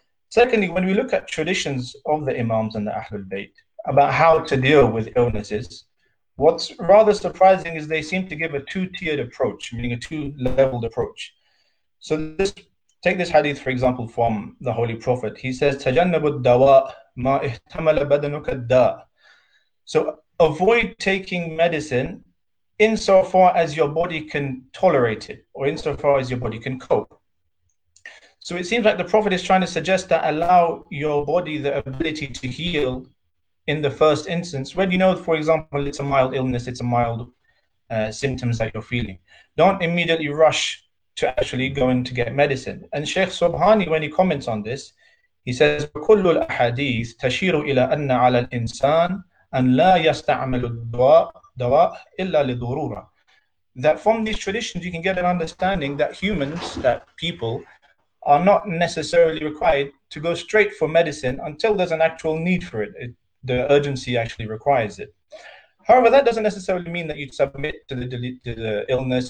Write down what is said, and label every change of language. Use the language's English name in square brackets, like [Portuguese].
[English] Secondly, when we look at traditions of the Imams and the Ahlul Bayt about how to deal with illnesses, what's rather surprising is they seem to give a two-tiered approach, meaning a two-leveled approach. So this, take this hadith, for example, from the Holy Prophet. He says, [Arabic] تَجَنَّبُ الدَّوَاءِ مَا اِحْتَمَلَ بَدَنُكَ الدَّاءِ. [English] So avoid taking medicine insofar as your body can tolerate it, or insofar as your body can cope. So it seems like the Prophet is trying to suggest that allow your body the ability to heal in the first instance, when you know, for example, it's a mild illness, it's a mild symptoms that you're feeling. Don't immediately rush to actually go in to get medicine. And Sheikh Subhani, when he comments on this, he says, [Arabic] وَكُلُّ الْأَحَادِيثِ تَشِيرُ إِلَىٰ أَنَّ عَلَى الْإِنسَانِ أَنْ لَا يَسْتَعْمَلُ الدَّوَاءِ إِلَّا لِضُرُورًا. [English] That from these traditions, you can get an understanding that humans, that people, are not necessarily required to go straight for medicine until there's an actual need for it. The urgency actually requires it. However, that doesn't necessarily mean that you'd submit to the illness.